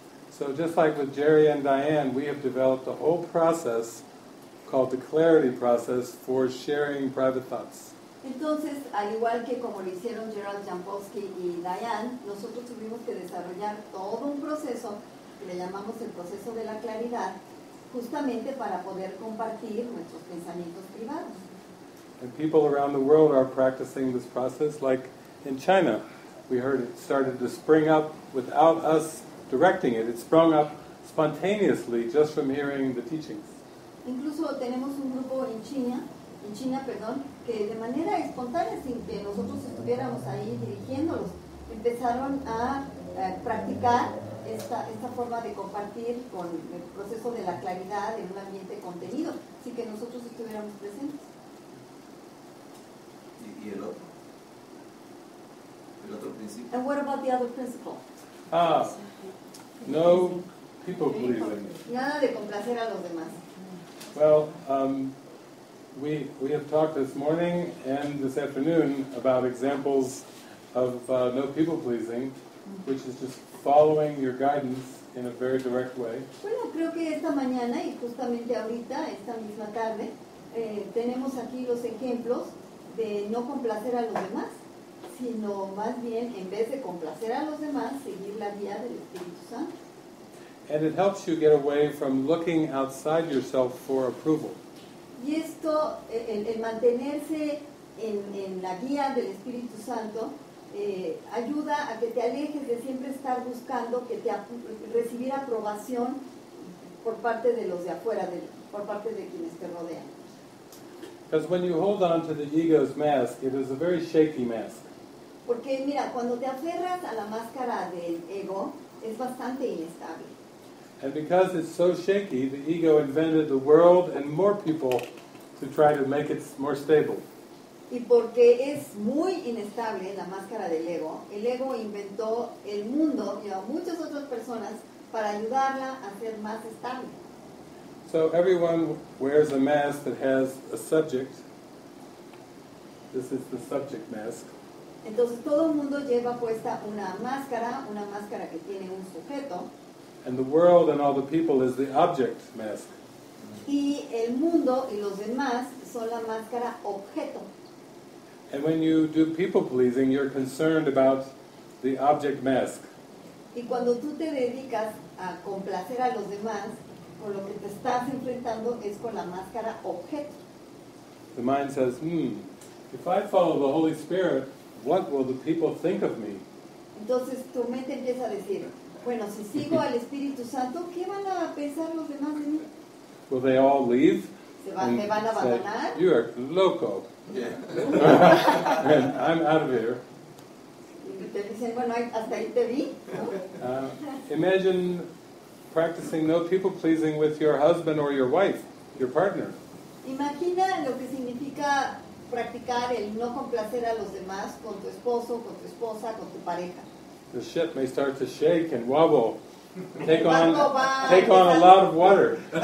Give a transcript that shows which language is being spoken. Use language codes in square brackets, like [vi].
[en] So just like with Jerry and Diane, we have developed a whole process called the clarity process for sharing private thoughts. [es] Entonces, al igual que como lo hicieron Gerald Jampolsky y Diane, nosotros tuvimos que desarrollar todo un proceso que le llamamos el proceso de la claridad, justamente para poder compartir nuestros pensamientos privados. [en] And people around the world are practicing this process, like in China. We heard it started to spring up without us directing it. It sprung up spontaneously just from hearing the teachings. [es] Incluso tenemos un grupo en China, que de manera espontánea, sin que nosotros estuviéramos ahí dirigiéndolos, empezaron a practicar esta forma de compartir con el proceso de la claridad en un ambiente contenido, sin que nosotros estuviéramos presentes. ¿Y el otro? ¿El otro principio? [en] And what about the other principle? No people pleasing. [es] Nada de complacer a los demás. [en] Well, we have talked this morning and this afternoon about examples of no people pleasing, which is just following your guidance in a very direct way. [es] Bueno, creo que esta mañana y justamente ahorita, esta misma tarde, tenemos aquí los ejemplos de no complacer a los demás, sino más bien, en vez de complacer a los demás, seguir la guía del Espíritu Santo. [en] And it helps you get away from looking outside yourself for approval. [es] Y esto, el mantenerse en la guía del Espíritu Santo, ayuda a que te alejes de siempre estar buscando que te recibir aprobación por parte de los de afuera, por parte de quienes te rodean. [en] Because when you hold on to the ego's mask, it is a very shaky mask. [es] Porque mira, cuando te aferras a la máscara del ego, es bastante inestable. [en] And because it's so shaky, the ego invented the world and more people to try to make it more stable. [es] Y porque es muy inestable la máscara del ego, el ego inventó el mundo y a muchas otras personas para ayudarla a ser más estable. [en] So everyone wears a mask that has a subject. This is the subject mask. [es] Entonces todo el mundo lleva puesta una máscara que tiene un sujeto. [en] And the world and all the people is the object mask. [es] Y el mundo y los demás son la máscara objeto. [en] And when you do people pleasing, you're concerned about the object mask. [es] Y cuando tú te dedicas a complacer a los demás, con lo que te estás enfrentando es con la máscara objeto. [en] The mind says, if I follow the Holy Spirit, what will the people think of me? [es] Entonces tu mente empieza a decir, bueno, si sigo al Espíritu Santo, ¿qué van a pensar los demás de mí? [en] Will they all leave? [es] ¿Me van a abandonar? [en] You are loco. Yeah. And I'm out of here. [es] Y te dicen, bueno, hasta ahí te vi. [en] Imagine practicing no people pleasing with your husband or your wife, your partner. [es] Imagina lo que significa practicar el no complacer a los demás con tu esposo, con tu esposa, con tu pareja. [en] The ship may start to shake and wobble. Take on a lot of water.